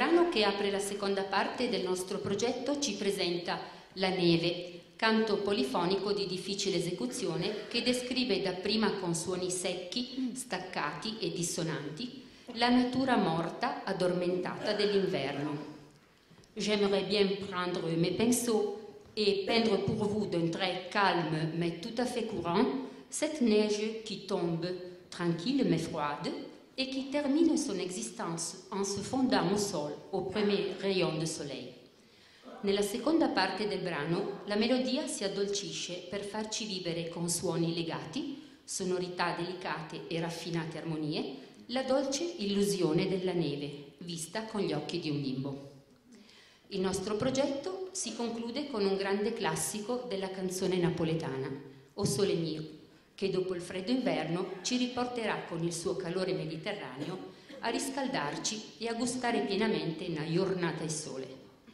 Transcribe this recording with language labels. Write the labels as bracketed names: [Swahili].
[Italian] Che apre la seconda parte del nostro progetto ci presenta La neve, canto polifonico di difficile esecuzione che descrive dapprima con suoni secchi, staccati e dissonanti la natura morta, addormentata dell'inverno. [French] J'aimerais bien prendre mes pinceaux et peindre pour vous d'un trait calme mais tout à fait courant cette neige qui tombe, tranquille mais froide, et qui termine son existence en se fondant au sol, au premier rayon de soleil. [Italian] Nella seconda parte del brano, la melodia si addolcisce per farci vivere con suoni legati, sonorità delicate e raffinate armonie, la dolce illusione della neve, vista con gli occhi di un bimbo. Il nostro progetto si conclude con un grande classico della canzone napoletana, O Sole Mio, che dopo il freddo inverno ci riporterà con il suo calore mediterraneo a riscaldarci e a gustare pienamente una giornata di sole.